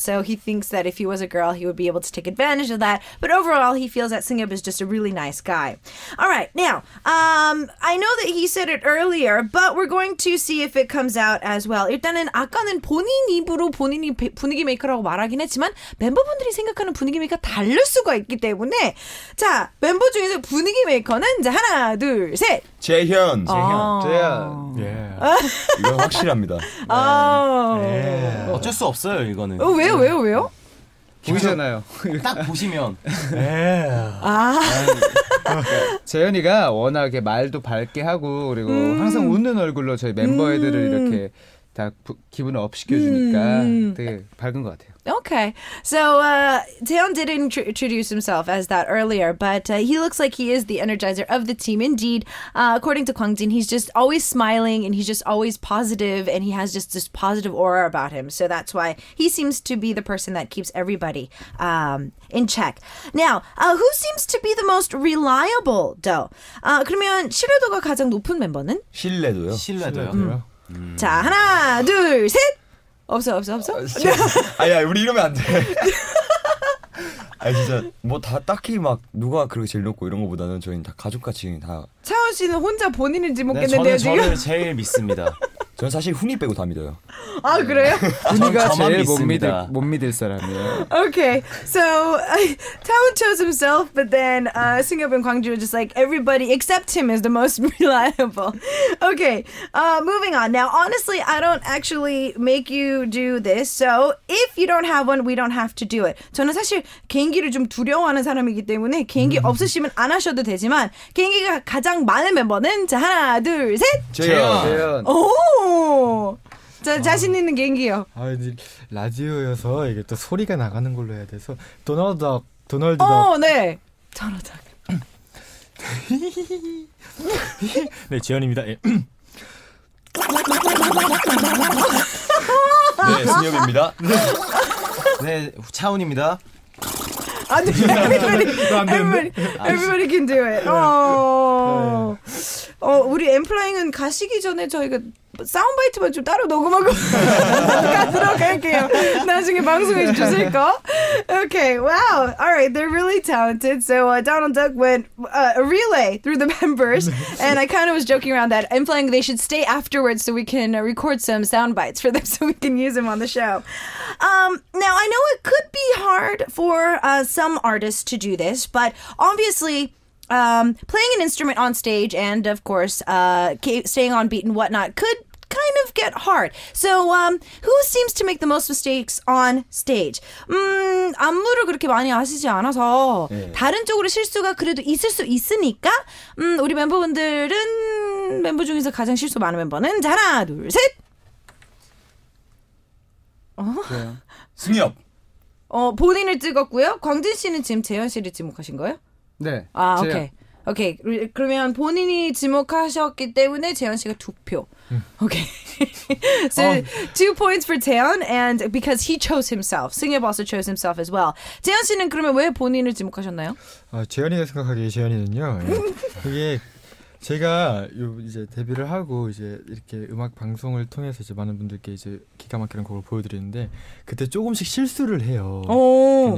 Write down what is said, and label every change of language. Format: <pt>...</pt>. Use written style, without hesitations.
<en>So he thinks that if he was a girl, he would be able to take advantage of that. But overall, he feels that Seungyeop is just a really nice guy. All right. Now, I know that he said it earlier, but we're going to see if it comes out as well.</en> <ko>일단은 아까는 본인 입으로 본인이 분위기 메이커라고 말하긴 했지만 멤버분들이 생각하는 분위기 메이커 다를 수가 있기 때문에 자 멤버 중에서 분위기 메이커는 이제 하나 둘 셋 재현. 재현. 예. 이건 확실합니다. 아. 예. 어쩔 수 없어요, 이거는. 어, 왜요? 왜요? 왜요? 보이잖아요. 딱 보시면. 예. 아. 재현이가 워낙에 말도 밝게 하고 그리고 항상 웃는 얼굴로 저희 멤버애들을 이렇게 다 기분을 업 시켜 주니까 되게 밝은 것 같아요.</ko> <en>Okay, so Taehyun did introduce himself as that earlier, but he looks like he is the energizer of the team. Indeed, according to Gwangjin, he's just always smiling and he's just always positive and he has just this positive aura about him. So that's why he seems to be the person that keeps everybody in check. Now, who seems to be the most reliable, though?</en> <ko>그러면 신뢰도가 가장 높은 멤버는? 신뢰도요? 신뢰도요. 자, 하나, 둘, 셋! 없어 없어 없어. 아야 우리 이러면 안 돼. 아 진짜 뭐 다 딱히 막 누가 그렇게 제일 높고 이런 거보다는 저희는 다 가족같이 다. 차원 씨는 혼자 본인인지 못겠는데요. 네, 저는 저를 제일 믿습니다. 저는 사실 훈이 빼고 다 믿어요. 아 그래요? 분위가 제일 못 믿을 사람이에요.</ko> <en>Okay, so Taewon chose himself, but then Seungyeob and Kwangju are just like everybody except him is the most reliable. Okay, moving on. Now, honestly, I don't actually make you do this. So if you don't have one, we don't have to do it.</en> <ko>저는 사실 개인기를 좀 두려워하는 사람이기 때문에 개인기 없으시면 안 하셔도 되지만 개인기가 가장 많은 멤버는 자 하나 둘 셋. 재현. 오. 자, 자신 있는 개인기요. 아, 라디오여서 이게 또 소리가 나가는 걸로 해야 돼서 도널드 덕. 어, 네. 도널드 덕. 네, 지현입니다. 예. 네, 승엽입니다. 네, 차훈입니다.</ko> <en>안 돼. Everybody can do it. 네.</en> <ko>어. 네. 어, 우리 엔플라잉은 가시기 전에 저희가 사운드바이트만 좀 따로 녹음하고 가도록 할게요. 나중에 방송에 주실 거. Okay, wow.</ko> <en>All right, they're really talented. So Donald Duck went a relay through the members. And I kind of was joking around that I'm playing they should stay afterwards so we can record some soundbites for them so we can use them on the show. Now, I know it could be hard for some artists to do this, but obviously... playing an instrument on stage and, of course, staying on beat and whatnot could kind of get hard. So, who seems to make the most mistakes on stage?</en> <ko>안무를 그렇게 많이 하시지 않아서 네. 다른 쪽으로 실수가 그래도 있을 수 있으니까 우리 멤버분들은 멤버 중에서 가장 실수 많은 멤버는 자, 하나, 둘, 셋! 승엽! 본인을 찍었고요. 광진 씨는 지금 재현 씨를 지목하신 거예요? 네. 아, 오케이. 오케이. 그러면 본인이 지목하셨기 때문에 재현 씨가 두 표. 오케이.</ko> <en>So, two points for 재현 and because he chose himself. 승엽 also chose himself as well.</en> <ko>재현 씨는 그러면 왜 본인을 지목하셨나요? 아, 재현이가 생각하기에 재현이는요. 그게 제가 이제 데뷔를 하고 이제 이렇게 음악 방송을 통해서 이제 많은 분들께 이제 기가 막히는 곡을 보여드리는데 그때 조금씩 실수를 해요. 오.</ko>